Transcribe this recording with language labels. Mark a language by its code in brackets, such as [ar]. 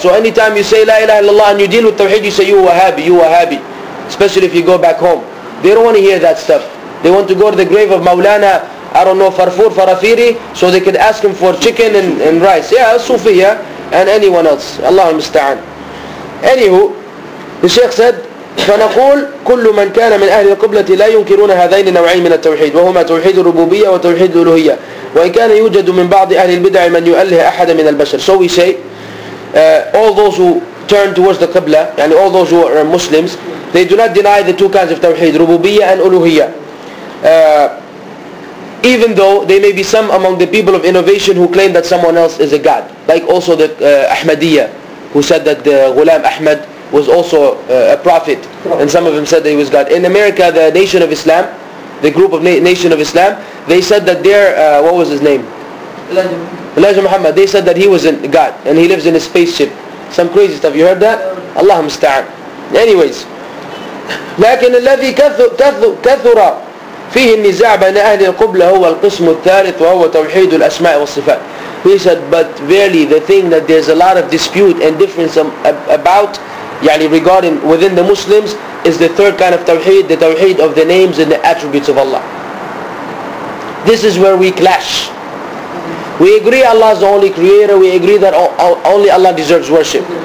[en] So anytime you say La ilaha illallah and you deal with Tawheed, you say you Wahhabi, you Wahhabi. Especially if you go back home, they don't want to hear that stuff. They want to go to the grave of Maulana, I don't know, Farfur, Farafiri, so they could ask him for chicken and rice. Yeah, Sufiya and anyone else. Allahumma musta'an. Anywho, the Shaykh said, [ar] فنقول كل من كان من أهل القبلة لا ينكرون هذين النوعين من التوحيد، وهما توحيد الربوبية وتوحيد الألوهية. وإن كان يوجد من بعض أهل البدع من يؤله أحد من البشر. [en] So we say all those who turn towards the قبلة, يعني all those who are Muslims, they do not deny the two kinds of توحيد, ربوبية and ألوهية. Even though they may be some among the people of innovation who claim that someone else is a god, like also the Ahmadiyya, who said that the Ghulam Ahmad was also a prophet, and some of them said that he was God. In America, the Nation of Islam, the group of Nation of Islam, they said that their, what was his name? Elijah Muhammad. They said that he was a God, and he lives in a spaceship. Some crazy stuff. You heard that? Allah musta'an. Anyways. [ar] لكن الذي كثر فيه النزاع بين أهل القبلة هو القسم الثالث وهو توحيد الأسماء والصفات. [en] He said, but really the thing that there's a lot of dispute and difference about, يعني regarding within the Muslims, is the third kind of tawheed, the tawheed of the names and the attributes of Allah. This is where we clash. We agree Allah is the only creator, we agree that only Allah deserves worship.